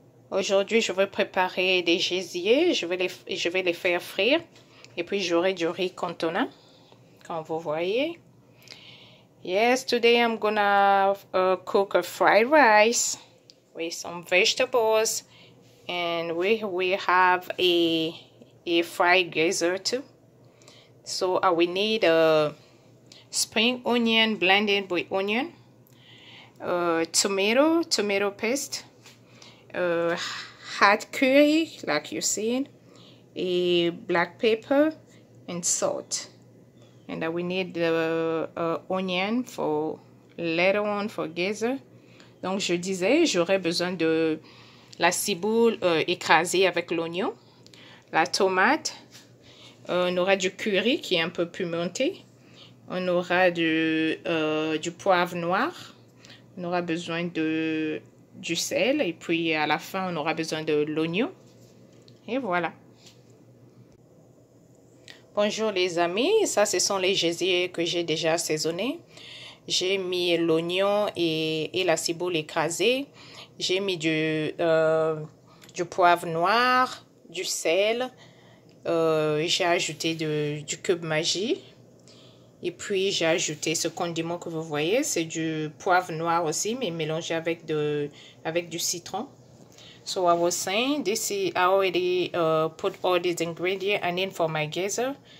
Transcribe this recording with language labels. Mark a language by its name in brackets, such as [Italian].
[French] Aujourd'hui, je vais préparer des gésiers, je vais les faire frire et puis j'aurai du riz cantonais, comme vous voyez. [English] Yes, today I'm gonna cook a fried rice with some vegetables and we have a fried geyser too. So we need a spring onion blended with onion. Tomato paste, hot curry, like you've seen, a black pepper, and salt. And we need the onion for later on for geyser. [French] Donc, je disais, j'aurais besoin de la ciboule écrasée avec l'oignon, la tomate, on aura du curry qui est un peu pimenté, on aura du poivre noir. On aura besoin de du sel et puis à la fin on aura besoin de l'oignon. Et voilà. Bonjour les amis, ça ce sont les gésiers que j'ai déjà assaisonnés. J'ai mis l'oignon et la ciboule écrasée. J'ai mis du poivre noir, du sel. J'ai ajouté du cube magie. Et puis j'ai ajouté ce condiment que vous voyez, c'est du poivre noir aussi, mais mélangé avec du citron. [English] So I was saying, this is, I already put all these ingredients in for my geyser.